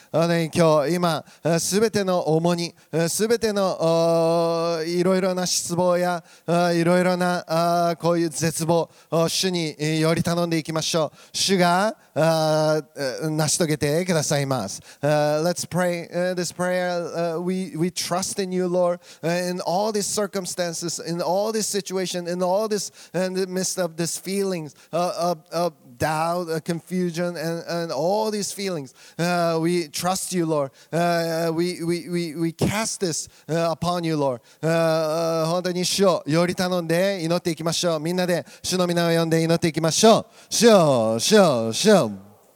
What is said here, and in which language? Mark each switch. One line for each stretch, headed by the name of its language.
Japanese: 今日今すべての重荷、すべてのいろいろな失望やいろいろなこういう絶望を主により頼んでいきましょう。主が成し遂げてくださいます。
English: Let's pray this prayer. We trust in you, Lord, in all these circumstances, in all this situation, in all thisAnd in the midst of these feelings of doubt, confusion, and all these feelings, we trust you, Lord. We cast this upon you, Lord.
Japanese: 本当に主をより頼んで祈っていきましょう。みんなで主の名を呼んで祈っていきましょう。主よ、主よ、主よ。